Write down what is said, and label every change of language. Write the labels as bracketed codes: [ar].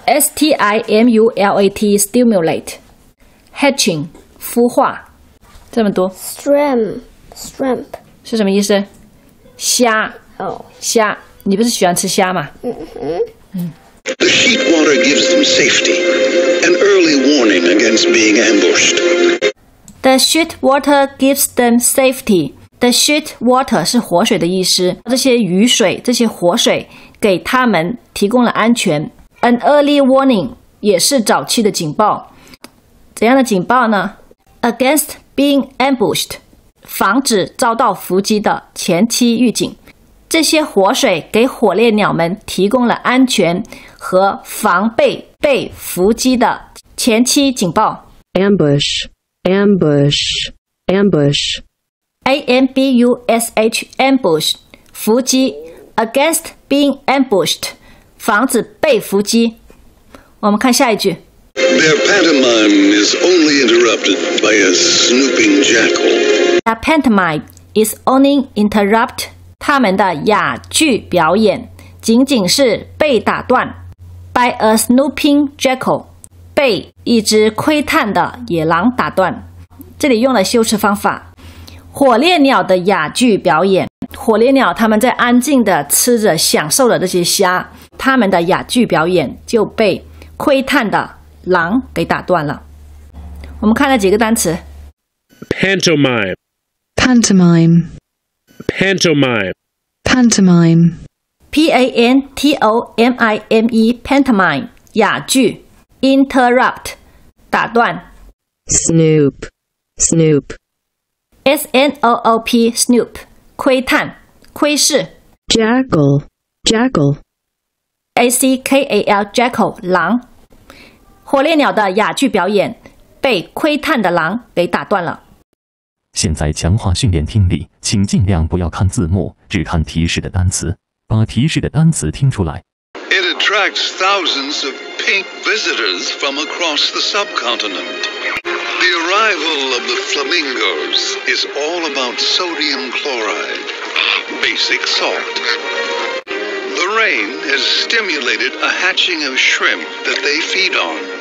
[en] S-T-I-M-U-L-A-T, stimulate, hatching, [zh] 孵化，这么多。 [en] Shrimp [zh] 是什么意思？虾。哦、oh. ，虾，你不是喜欢吃虾吗？嗯哼。 [en] The sheet water gives them safety, an early warning against being ambushed. The sheet water gives them safety. The sheet water [zh] 是活水的意思，这些雨水、这些活水给他们提供了安全。 [en] An early warning [zh] 也是早期的警报，怎样的警报呢 ？ [en] Against being ambushed， [zh] 防止遭到伏击的前期预警。这些活水给火烈鸟们提供了安全和防备被伏击的前期警报。 [en] Ambush, ambush, ambush, A-M-B-U-S-H, ambush, [zh] 伏击。 [en] Against being ambushed。 [zh] 防止被伏击。我们看下一句。 [en] Their pantomime is only interrupted by a snooping jackal. Their pantomime is only interrupted. [zh] 他们的哑剧表演仅仅是被打断 [en] by a snooping jackal. [zh] 被一只窥探的野狼打断。这里用了修辞方法。火烈鸟的哑剧表演。火烈鸟他们在安静的吃着享受着这些虾。他们的哑剧表演就被窥探的狼给打断了。我们看了几个单词 [en] ：pantomime, pantomime, pantomime, pantomime, P-A-N-T-O-M-I-M-E, pantomime, [zh] 哑剧 [en] ，interrupt, [zh] 打断 [en] ，snoop, snoop, S-N-O-O-P, snoop, [zh] 窥探，窥视 [en] ，jackal, jackal. A-C-K-A-L, jackal, [zh] 狼。火烈鸟的哑剧表演被窥探的狼给打断了。现在强化训练听力，请尽量不要看字幕，只看提示的单词。把提示的单词听出来。 [en] It attracts thousands of pink visitors from across the subcontinent. The arrival of the flamingos is all about sodium chloride, basic salt. The rain has stimulated a hatching of shrimp that they feed on.